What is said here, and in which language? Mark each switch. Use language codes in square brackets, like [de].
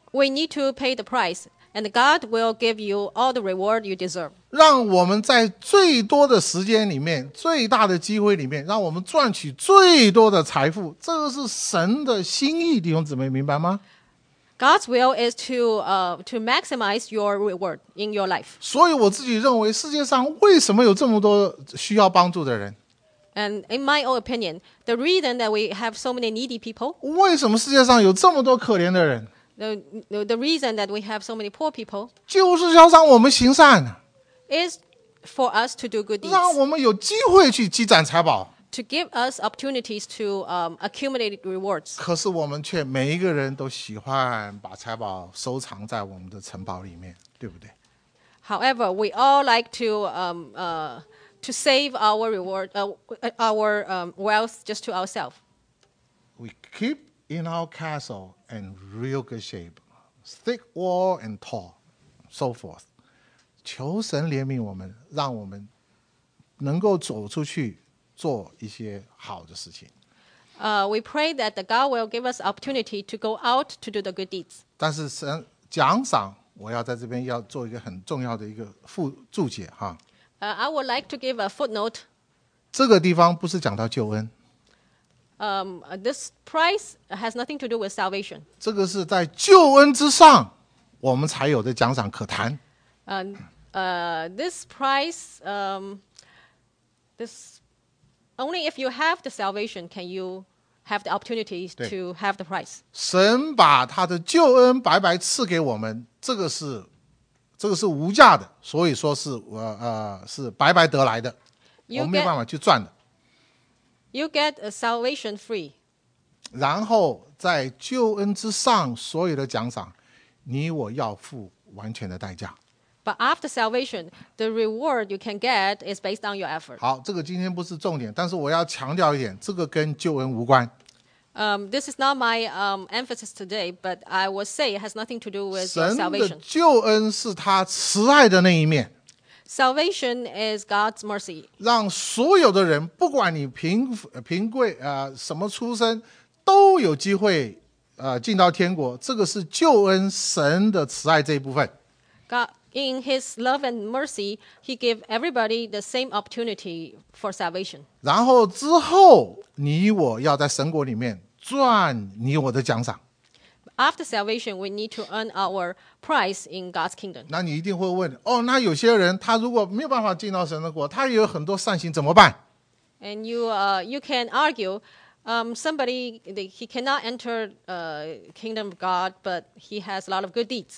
[en] We need to pay the price. And God will give you all the reward you deserve. [zh] 让我们在最多的时间里面，最大的机会里面，让我们赚取最多的财富，这个是神的心意，弟兄姊妹，明白吗？ [en] God's will is to maximize your reward in your life. [zh] 所以我自己认为，世界上为什么有这么多需要帮助的人？ [en] And in my own opinion, the reason that we have so many needy people. [zh] 为什么世界上有这么多可怜的人？ [en] The reason that we have so many poor people [zh] 就是要让我们行善 [en] is for us to do good deeds [zh] 让我们有机会去积攒财宝 [en] to give us opportunities to accumulate rewards [zh] 可是我们却每一个人都喜欢把财宝收藏在我们的城堡里面对不对 [en] However, we all like to save our reward wealth just to ourselves We keep in our castleAnd real good shape, thick wall and tall, so forth. [zh] 求神怜悯我们，让我们能够走出去做一些好的事情。 [en] We pray that the God will give us opportunity to go out to do the good deeds. [zh] 但是神奖赏，我要在这边要做一个很重要的一个附注解哈。 [en] I would like to give a footnote. [zh] 这个地方不是讲到救恩。 [en] This price has nothing to do with salvation. [zh] 这个是在救恩之上，我们才有的奖赏可谈。 [en] this price, this only if you have the salvation can you have the opportunity to have the price. [zh] 神把他的救恩白白赐给我们，这个是无价的，所以说是白白得来的， [en] you [zh] 我们没有办法去赚的。 [en] You get a salvation free. [zh] 然后在救恩之上所有的奖赏，你我要付完全的代价。 [en] But after salvation, the reward you can get is based on your effort. [zh] 好，这个今天不是重点，但是我要强调一点，这个跟救恩无关。 [en] This is not my emphasis today, but I will say it has nothing to do with salvation. [zh] 神的救恩是他慈爱的那一面。 [en] Salvation is God's mercy. [zh] 让所有的人，不管你贫贵、什么出身，都有机会进到天国。这个是救恩神的慈爱这一部分。 [en] God, in His love and mercy, He gave everybody the same opportunity for salvation. [zh] 然后之后，你我要在神国里面赚你我的奖赏。 [en] After salvation, we need to earn our prize in God's kingdom. [zh] 那你一定会问，哦，那有些人他如果没有办法进到神的国，他也有很多善行怎么办？ [en] And you can argue, somebody he cannot enter kingdom of God, but he has a lot of good deeds.